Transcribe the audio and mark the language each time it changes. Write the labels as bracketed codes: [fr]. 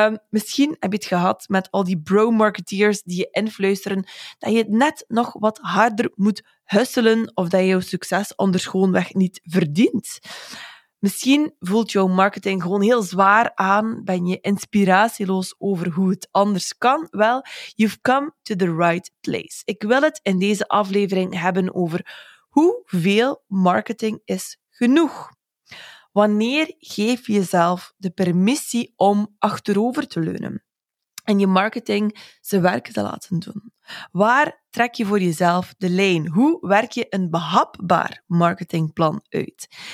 [nl] Misschien heb je het gehad met al die bro-marketeers die je influisteren dat je het net nog wat harder moet hustelen of dat je jouw succes anders gewoonweg niet verdient. Misschien voelt jouw marketing gewoon heel zwaar aan, ben je inspiratieloos over hoe het anders kan. [en] Wel, you've come to the right place. [nl] Ik wil het in deze aflevering hebben over: hoeveel marketing is genoeg? Wanneer geef je jezelf de permissie om achterover te leunen en je marketing zijn werk te laten doen? Waar trek je voor jezelf de lijn? Hoe werk je een behapbaar marketingplan uit?